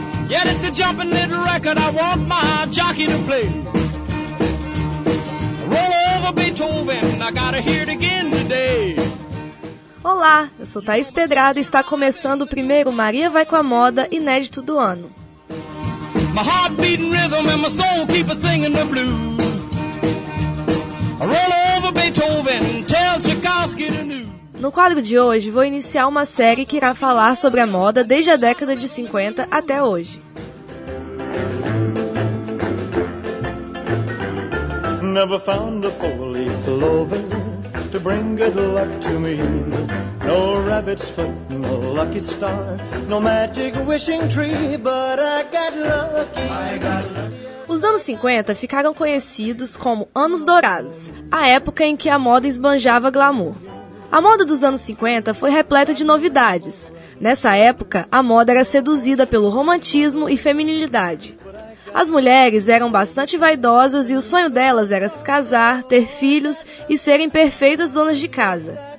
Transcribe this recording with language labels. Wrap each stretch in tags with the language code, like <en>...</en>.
<en>Yeah, it's a jumping little record I want my jockey to play. Roll over Beethoven, I gotta hear it again today.</en> <pt>Olá, eu sou Thaís Pedrada e está começando o primeiro Maria Vai com a Moda inédito do ano.</pt> <en>My heart beating rhythm and my soul keep a singing the blues. Roll over Beethoven, tell Tchaikovsky the news.</en> <pt>No quadro de hoje, vou iniciar uma série que irá falar sobre a moda desde a década de 50 até hoje.</pt> <en>Never found a four-leaf clover to bring good luck to me. No rabbit's foot, no lucky star, no magic wishing tree, but I got lucky. I got lucky.</en> <pt>Os anos 50 ficaram conhecidos como Anos Dourados, a época em que a moda esbanjava glamour. A moda dos anos 50 foi repleta de novidades. Nessa época, a moda era seduzida pelo romantismo e feminilidade. As mulheres eram bastante vaidosas e o sonho delas era se casar, ter filhos e serem perfeitas donas de casa.</pt>